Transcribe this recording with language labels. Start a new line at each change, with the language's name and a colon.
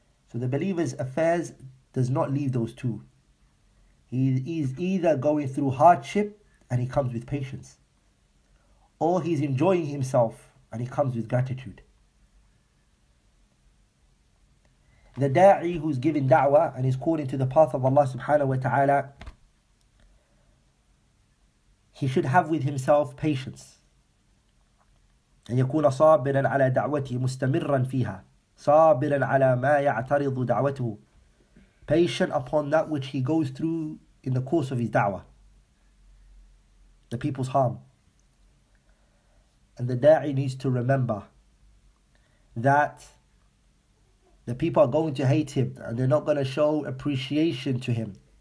English: So the believer's affairs does not leave those two. He is either going through hardship and he comes with patience, or he's enjoying himself and he comes with gratitude. The da'i who's giving da'wah and is calling to the path of Allah subhanahu wa ta'ala, he should have with himself patience.
Arabic: أن يكون صابرا على دعوته مستمرا فيها صابرا على ما يعترض دعوته.
English: Patient upon that which he goes through in the course of his da'wah, the people's harm. And the da'i needs to remember that the people are going to hate him and they're not going to show appreciation to him.